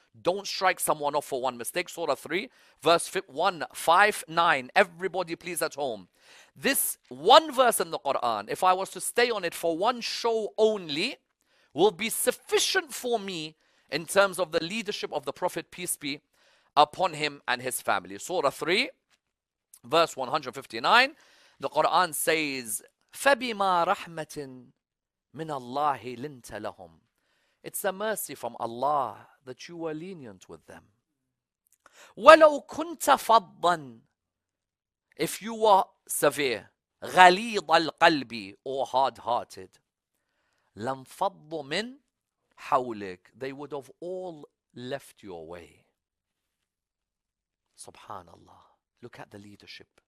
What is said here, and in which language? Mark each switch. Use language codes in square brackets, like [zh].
[en] Don't strike someone off for one mistake. Surah 3, verse 1, 5, 9. Everybody please at home. This one verse in the Quran, if I was to stay on it for one show only, will be sufficient for me in terms of the leadership of the Prophet, peace be upon him and his family. Surah 3, verse 159, the Quran says, [ar] فَبِمَا رَحْمَةٍ مِنَ اللَّهِ لِنْتَ لَهُمْ. [en] It's a mercy from Allah that you were lenient with them. [ar] وَلَوْ كُنْتَ فَضًّا. [en] If you were severe, [ar] غَلِيضَ الْقَلْبِ, [en] or hard-hearted, [ar] لَمْ فَضُّ مِنْ حَوْلِكَ, [en] they would have all left your way. Subhanallah. Look at the leadership.